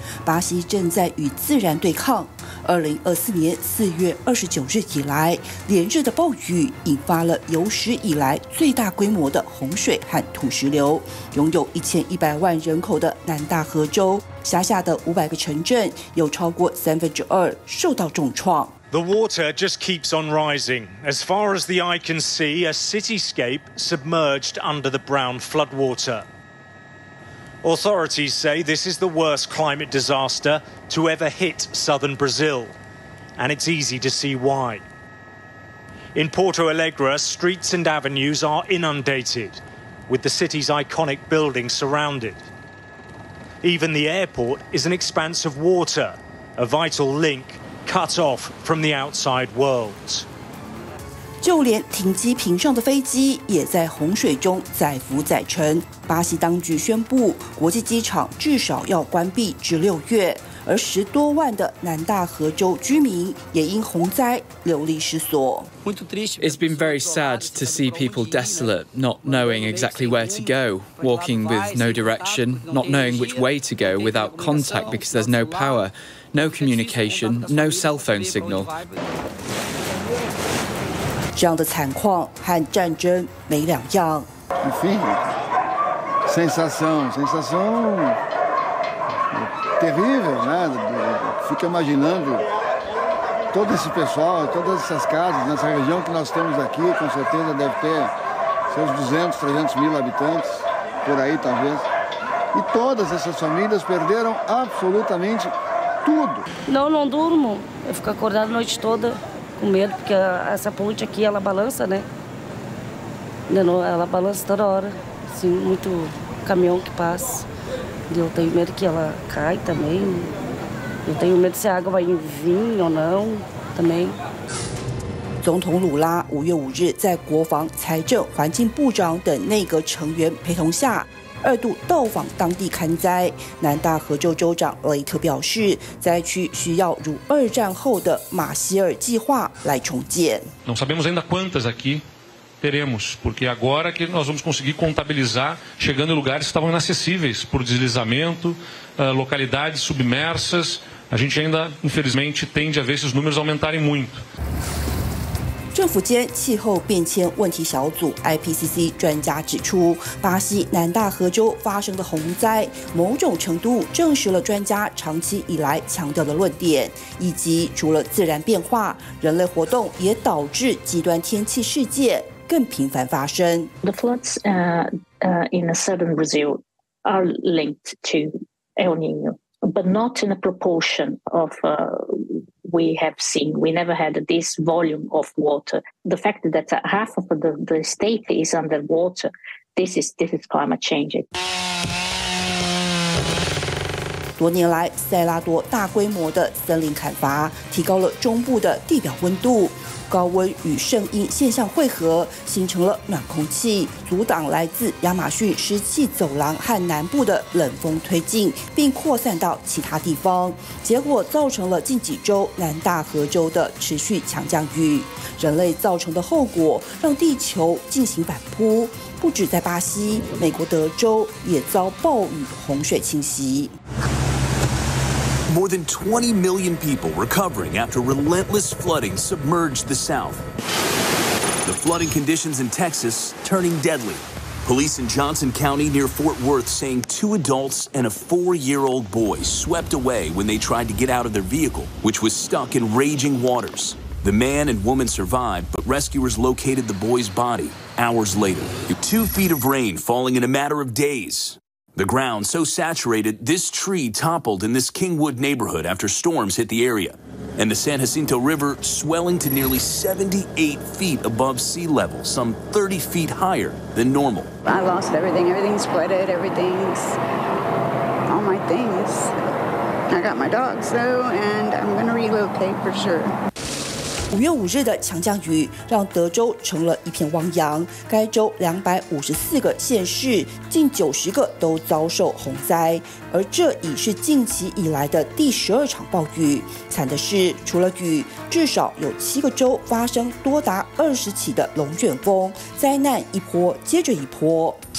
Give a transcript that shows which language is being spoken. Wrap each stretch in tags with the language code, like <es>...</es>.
<zh>巴西正在与自然对抗。2024年4月29日以来，连日的暴雨引发了有史以来最大规模的洪水和土石流。拥有1100万人口的南大河州，辖下的500个城镇有超过2/3受到重创。</zh> <en>The water just keeps on rising. As far as the eye can see, a cityscape submerged under the brown floodwater. Authorities say this is the worst climate disaster to ever hit southern Brazil. And it's easy to see why. In Porto Alegre, streets and avenues are inundated, with the city's iconic building surrounded. Even the airport is an expanse of water, a vital link. Cut off from the outside world.</en> <zh>就连停机坪上的飞机也在洪水中载浮载沉。巴西当局宣布，国际机场至少要关闭至六月，而10多万的南大河州居民也因洪灾流离失所。</zh> <en>It's been very sad to see people desolate, not knowing exactly where to go, walking with no direction, not knowing which way to go without contact because there's no power. No communication, no cell phone signal.</en> <zh>这样的惨况和战争没两样。</zh> <pt>Enfim, sensação, sensação terrível, né? Fico imaginando todo esse pessoal, todas essas casas nessa região que nós temos aqui, com certeza deve ter seus 200, 300 mil habitantes por aí, talvez. E todas essas famílias perderam absolutamente. Tudo. Não durmo. Eu fico acordada a noite toda com medo, porque essa ponte aqui, ela balança, né? Ela balança toda hora. Assim, muito caminhão que passa. Eu tenho medo que ela caia também. Eu tenho medo se a água vai vir ou não também.</pt> <zh>总统鲁拉5月5日在国防、财政、环境部长等内阁成员陪同下，二度到访当地勘灾。南大河州州长雷特表示，灾区需要如二战后的马歇尔计划来重建。</zh> <pt>Não sabemos ainda quantas aqui teremos, porque agora que nós vamos conseguir contabilizar, chegando em lugares que estavam inacessíveis por deslizamento, localidades submersas, a gente ainda, infelizmente, tende a ver esses números aumentarem muito.</pt> <zh>政府间气候变迁问题小组 IPCC 专家指出，巴西南大河州发生的洪灾某种程度证实了专家长期以来强调的论点，以及除了自然变化，人类活动也导致极端天气事件更频繁发生。</zh> <en>The floods in southern Brazil are linked to El Nino, but not in a proportion ofWe have seen, we never had this volume of water. The fact that half of the state is underwater, this is climate change.</en> <zh>多年来塞拉多大规模的森林砍伐提高了中部的地表温度，高温与圣婴现象汇合形成了暖空气，阻挡来自亚马逊湿气走廊和南部的冷风推进，并扩散到其他地方，结果造成了近几周南大河州的持续强降雨。人类造成的后果让地球进行反扑，不止在巴西，美国德州也遭暴雨洪水侵袭。</zh> <en>More than 20 million people recovering after relentless flooding submerged the South. The flooding conditions in Texas turning deadly. Police in Johnson County near Fort Worth saying two adults and a four-year-old boy swept away when they tried to get out of their vehicle, which was stuck in raging waters. The man and woman survived, but rescuers located the boy's body hours later. 2 feet of rain falling in a matter of days. The ground so saturated, this tree toppled in this Kingwood neighborhood after storms hit the area. And the San Jacinto River swelling to nearly 78 feet above sea level, some 30 feet higher than normal. I lost everything. Everything's flooded. Everything's all my things. I got my dog, so, and I'm going to relocate for sure.</en> <zh>5月5日的强降雨让德州成了一片汪洋，该州254个县市近90个都遭受洪灾，而这已是近期以来的第12场暴雨。惨的是除了雨，至少有7个州发生多达20起的龙卷风，灾难一波接着一波。</zh>